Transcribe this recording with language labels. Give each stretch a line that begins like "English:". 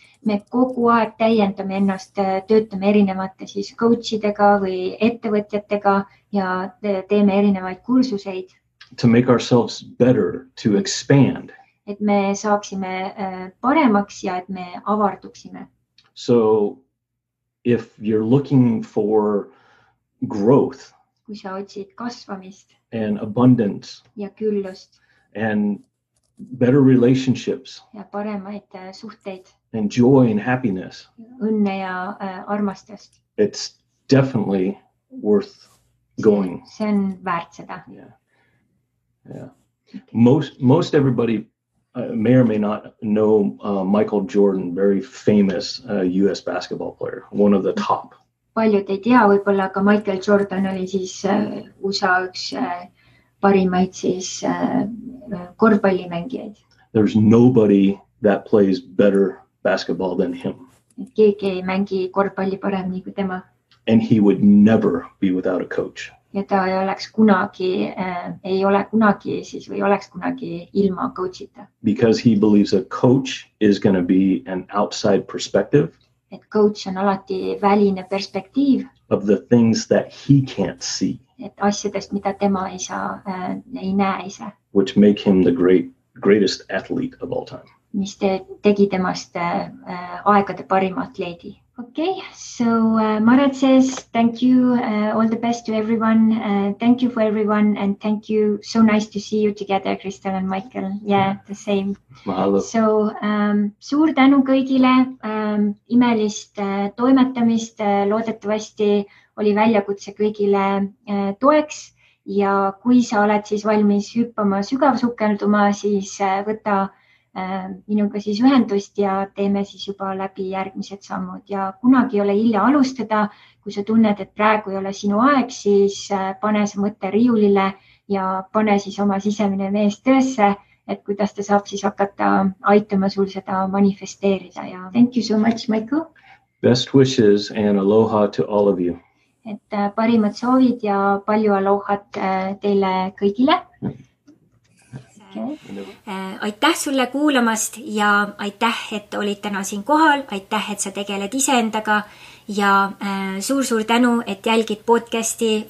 Estonian: Me kogu aeg täiendame ennast, töötame erinevate siis coachidega või ettevõtjatega ja teeme erinevaid kursuseid.
English: To make ourselves better, to expand.
Estonian: Et me saaksime paremaks ja et me avarduksime.
English: So if you're looking for growth,
Estonian: kui sa otsid kasvamist
English: and abundance
Estonian: ja küllust
English: and better relationships
Estonian: ja paremaid suhteid
English: and joy and happiness,
Estonian: õnne ja armastust,
English: it's definitely worth going.
Estonian: See on väärt seda.
English: Yeah. Most everybody may or may not know Michael Jordan, very famous US basketball player, one of the top.
Estonian: Paljud ei tea võib-olla, aga Michael Jordan oli siis USA üks parimaid siis korvpallimängijaid.
English: There's nobody that plays better basketball than him.
Estonian: Keegi ei mängi korvpalli paremini kui tema.
English: And he would never be without a coach.
Estonian: Ja ta ei oleks kunagi, ei ole kunagi siis või oleks kunagi ilma coachita.
English: Because he believes a coach is going to be an outside perspective.
Estonian: Et coach on alati väline perspektiiv.
English: Of the things that he can't see.
Estonian: Et asjadest, mida tema ei saa, ei näe ise.
English: Which make him the greatest athlete of all time.
Estonian: Mis tegi temast aegade parima atleedi.
English: Okay, so Marat says, thank you, all the best to everyone. Thank you for everyone, and thank you. So nice to see you together, Kristel and Michael. Yeah, the same.
Hawaiian: Mahalo.
Estonian: So suur tänu kõigile imelist toimetamist. Loodetavasti oli väljakutse kõigile toeks. Ja kui sa oled siis valmis hüppama sügavsukelduma, siis võta minuga siis ühendust ja teeme siis juba läbi järgmised sammud. Ja kunagi ei ole hilja alustada, kui sa tunned, et praegu ei ole sinu aeg, siis pane sa mõtte riulile ja pane siis oma sisemine mees töösse, et kuidas ta saab siis hakata aitama sul seda manifesteerida.
English: Ja thank you so much, Michael. Best wishes and aloha to all of you.
Estonian: Et parimad soovid ja palju alohat teile kõigile.
English: Okay.
Estonian: Aitäh sulle kuulamast ja aitäh, et olid täna siin kohal. Aitäh, et sa tegeled ise endaga ja suur tänu, et jälgid podcasti.